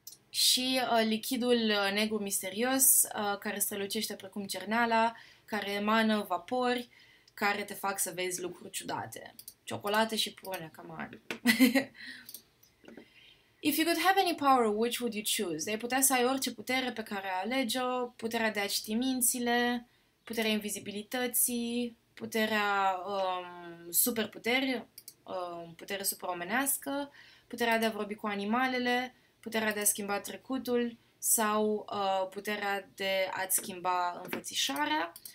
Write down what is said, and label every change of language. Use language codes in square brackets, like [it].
[ro] Și lichidul negru misterios, care strălucește precum cerneala, care emană vapori, care te fac să vezi lucruri ciudate. Ciocolată și prune, [en] come on. If you could have any power, which would you choose? [ro] Deci putea să ai orice putere pe care alege-o, puterea de a citi mințile, puterea invizibilității, puterea superputeri, putere superomenească, puterea de a vorbi cu animalele, puterea de a schimba trecutul sau puterea de a-ți schimba înfățișarea.